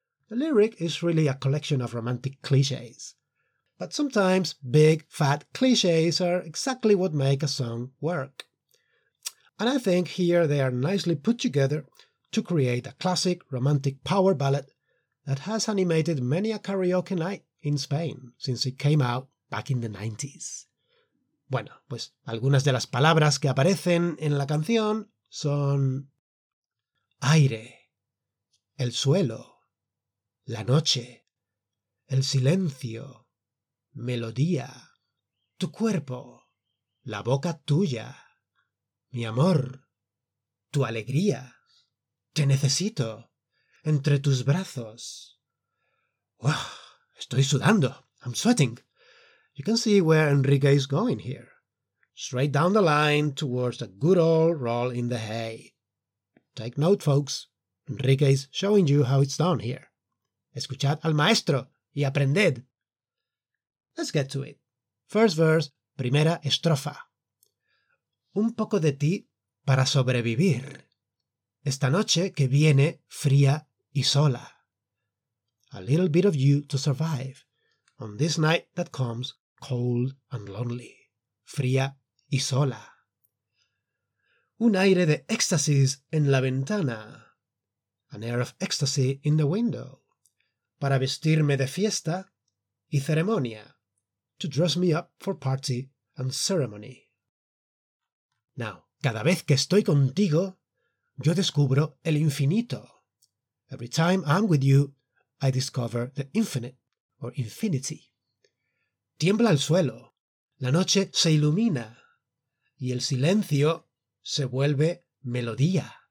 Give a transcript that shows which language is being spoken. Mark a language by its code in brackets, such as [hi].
[en] The lyric is really a collection of romantic clichés. But sometimes big, fat clichés are exactly what make a song work. And I think here they are nicely put together to create a classic romantic power ballad that has animated many a karaoke night in Spain since it came out back in the 90s. [es] Bueno, pues algunas de las palabras que aparecen en la canción son aire, el suelo, la noche, el silencio, melodía, tu cuerpo, la boca tuya, mi amor, tu alegría, te necesito, entre tus brazos. Uf, estoy sudando, [en] I'm sweating. You can see where Enrique is going here. Straight down the line towards a good old roll in the hay. Take note, folks. Enrique is showing you how it's done here. [es] Escuchad al maestro y aprended. [en] Let's get to it. First verse, [es] primera estrofa. Un poco de ti para sobrevivir. Esta noche que viene fría y sola. [en] A little bit of you to survive. On this night that comes cold and lonely. [es] Fría y sola. Un aire de éxtasis en la ventana. [en] An air of ecstasy in the window. [es] Para vestirme de fiesta y ceremonia. [en] To dress me up for party and ceremony. Now, [es] cada vez que estoy contigo, yo descubro el infinito. [en] Every time I'm with you, I discover the infinite, or infinity. [es] Tiembla el suelo, la noche se ilumina, y el silencio se vuelve melodía.